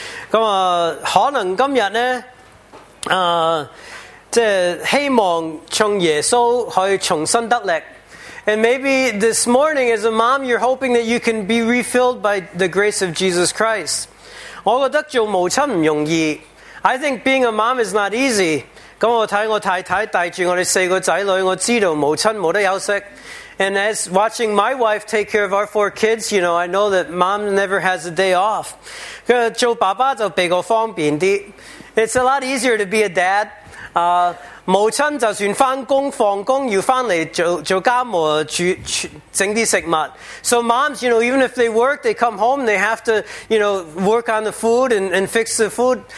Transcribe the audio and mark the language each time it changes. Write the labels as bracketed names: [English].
[Cantonese] 咁啊，可能今日呢。即希望从耶稣可以重新得力 [English] ，and maybe this morning as a mom you're hoping that you can be refilled by the grace of Jesus Christ。 [Cantonese] 我觉得做母亲唔容易 ， [English] I think being a mom is not easy。 [Cantonese] 咁我睇我太太带住我哋四个仔女，我知道母亲冇得休息。 [English] And as watching my wife take care of our four kids, you know, I know that mom never has a day off。 [Cantonese] 做爸爸就比较方便啲 [English] ，it's a lot easier to be a dad。 [Cantonese] 母亲就算翻工放工要翻嚟做家务整啲食物 [English] ，so moms you know even if they work they come home they have to you know work on the food and fix the food。